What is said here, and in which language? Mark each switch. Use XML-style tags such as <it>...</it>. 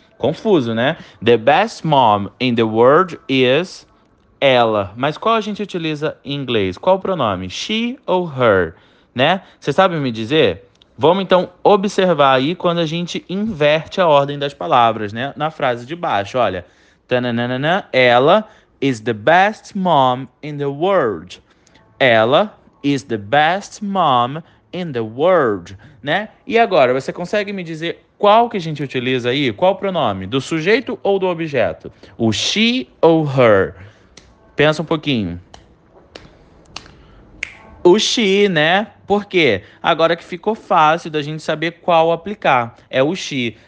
<pt>Confuso, né?</pt> <en>The best mom in the world is...</en> <pt>ela. Mas qual a gente utiliza em inglês? Qual o pronome? She ou her, né? Você sabe me dizer? Vamos então observar aí quando a gente inverte a ordem das palavras, né? Na frase de baixo, olha.</pt> <en>Tananana,</en> <pt>ela</pt> <en>is the best mom in the world.</en> <pt>Ela</pt> <en>is the best mom in the world,</en> <pt>né? E agora, você consegue me dizer qual que a gente utiliza aí? Qual o pronome? Do sujeito ou do objeto? O she ou her? Pensa um pouquinho. O she, né? Por quê? Agora que ficou fácil da gente saber qual aplicar. É o she.</pt>